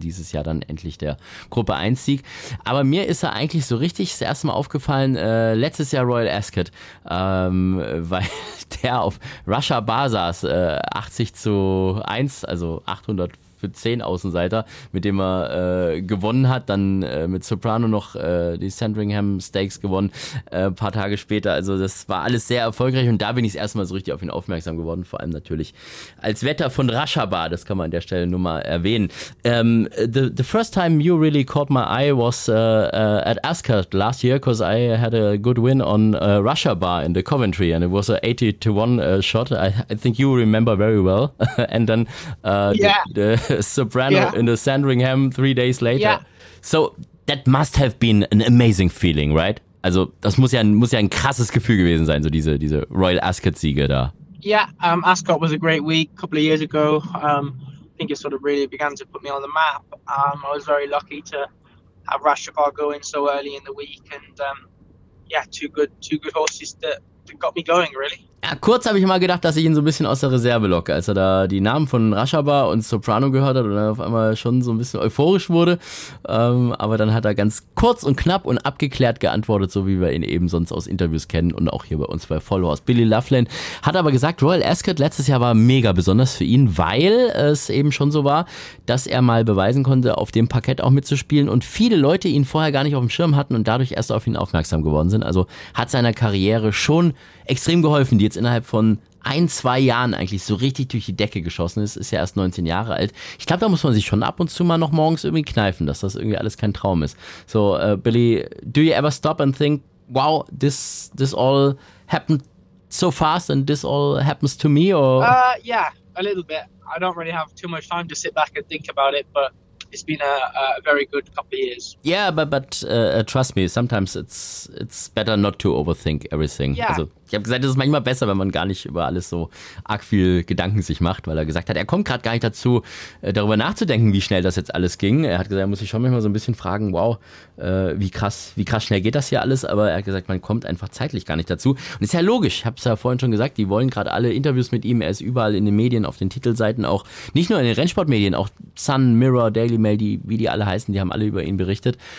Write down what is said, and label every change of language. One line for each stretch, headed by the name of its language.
German: Dieses Jahr dann endlich der Gruppe 1 Sieg. Aber mir ist er eigentlich so richtig das erste Mal aufgefallen, letztes Jahr Royal Ascot, weil der auf Russia Bar saß, 80-1, also 810 Außenseiter, mit dem er gewonnen hat, dann mit Soprano noch die Sandringham Stakes gewonnen, ein paar Tage später. Also das war alles sehr erfolgreich und da bin ich das erste Mal so richtig auf ihn aufmerksam geworden, vor allem natürlich als Wetter von Russia Bar, das kann man an der Stelle nur mal erwähnen.
English: The first time you really caught my eye was at Ascot last year, because I had a good win on Russia Bar in the Coventry and it was a 80-1 shot. I think you remember very well. And then Soprano in the Sandringham 3 days later. Yeah. So that must have been an amazing feeling, right?
German: Also das muss ja ein krasses Gefühl gewesen sein, so diese Royal Ascot Siege da.
English: Yeah, Ascot was a great week a couple of years ago. I think it sort of really began to put me on the map. I was very lucky to have Russia Bar going so early in the week and two good horses that got me going really.
German: Ja, kurz habe ich mal gedacht, dass ich ihn so ein bisschen aus der Reserve locke, als er da die Namen von Russia Bar und Soprano gehört hat und er auf einmal schon so ein bisschen euphorisch wurde. Aber dann hat er ganz kurz und knapp und abgeklärt geantwortet, so wie wir ihn eben sonst aus Interviews kennen und auch hier bei uns bei Followers. Billy Laughlin hat aber gesagt, Royal Ascot letztes Jahr war mega besonders für ihn, weil es eben schon so war, dass er mal beweisen konnte, auf dem Parkett auch mitzuspielen und viele Leute ihn vorher gar nicht auf dem Schirm hatten und dadurch erst auf ihn aufmerksam geworden sind. Also hat seiner Karriere schon extrem geholfen, die jetzt innerhalb von 1-2 Jahren eigentlich so richtig durch die Decke geschossen ist. Ist ja erst 19 Jahre alt. Ich glaube, da muss man sich schon ab und zu mal noch morgens irgendwie kneifen, dass das irgendwie alles kein Traum ist.
English: So, Billy, do you ever stop and think, wow, this all happened so fast and this all happens to me? Or? Yeah, a little bit. I don't really have too much time to sit back and think about it, but it's been a very good couple of years. Yeah, but trust me, sometimes it's better not to overthink everything. Yeah.
German: Also, ich habe gesagt, es ist manchmal besser, wenn man gar nicht über alles so arg viel Gedanken sich macht, weil er gesagt hat, er kommt gerade gar nicht dazu, darüber nachzudenken, wie schnell das jetzt alles ging. Er hat gesagt, er muss sich schon manchmal so ein bisschen fragen, wow, wie krass schnell geht das hier alles? Aber er hat gesagt, man kommt einfach zeitlich gar nicht dazu. Und ist ja logisch, ich habe es ja vorhin schon gesagt, die wollen gerade alle Interviews mit ihm. Er ist überall in den Medien, auf den Titelseiten auch, nicht nur in den Rennsportmedien, auch Sun, Mirror, Daily Mail, wie die alle heißen, die haben alle über ihn berichtet.